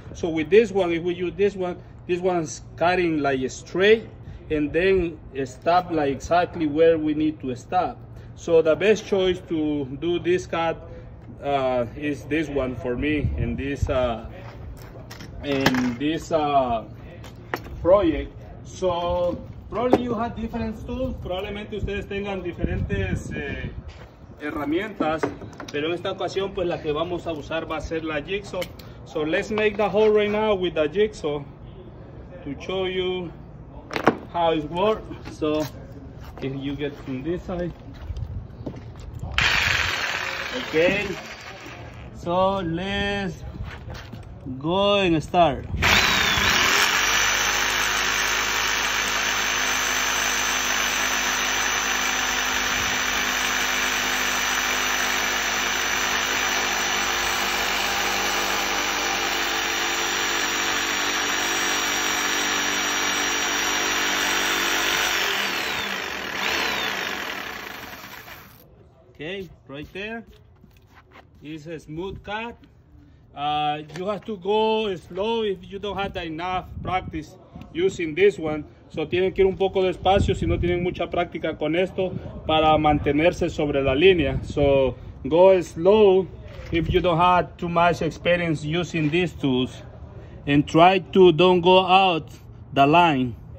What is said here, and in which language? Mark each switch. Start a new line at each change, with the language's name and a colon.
English: So with this one, if we use this one's cutting like straight and then stop like exactly where we need to stop. So the best choice to do this cut is this one for me in this project. So, probably you have different tools.
Spanish: Probablemente ustedes tengan diferentes herramientas, pero en esta ocasión, pues la que vamos a usar va a ser la jigsaw.
English: So, let's make the hole right now with the jigsaw to show you how it works. So, if you get from this side. Okay. So, let's go and start. Okay. right there. It's a smooth cut. You have to go slow if you don't have that enough practice using this one.
Spanish: So tienen que ir un poco despacio si no tienen mucha práctica con esto para mantenerse sobre la línea.
English: So go slow if you don't have too much experience using these tools. And try to don't go out the line.